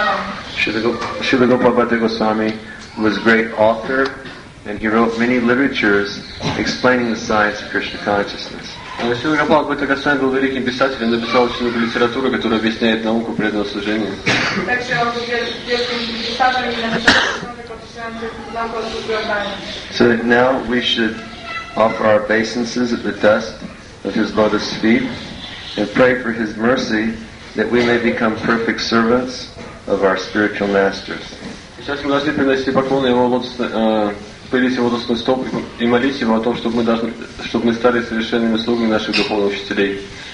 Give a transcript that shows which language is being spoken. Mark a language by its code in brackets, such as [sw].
[en] Srila Gopala Bhakti Goswami was a great author, and he wrote many literatures explaining the science of Krishna consciousness. Srila Gopala Bhakti Goswami was a great author, and he wrote many literatures explaining the science of Krishna consciousness. [ru] Так что он был великим писателем, написал много [en] So now we should offer our obeisances at the dust of his lotus feet and pray for his mercy that we may become perfect servants of our spiritual masters. [ru] Сейчас мы должны принести поклон его лотосным стопам и молить его о том, чтобы мы стали совершенными слугами наших духовных учителей.